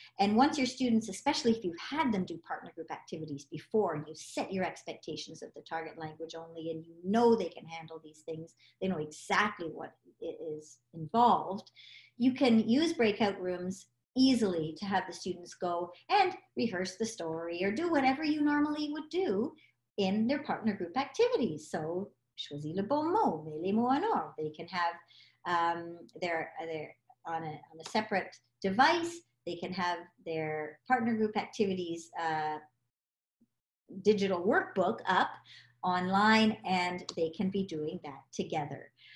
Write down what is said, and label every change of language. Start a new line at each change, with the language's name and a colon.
English: And once your students, especially if you've had them do partner group activities before and you set your expectations of the target language only and you know they can handle these things, they know exactly what is involved, you can use breakout rooms easily to have the students go and rehearse the story or do whatever you normally would do in their partner group activities.
French: So choisis le bon mot, mets les mots en ordre.
English: They can have their on a separate device. They can have their partner group activities digital workbook up online, and they can be doing that together.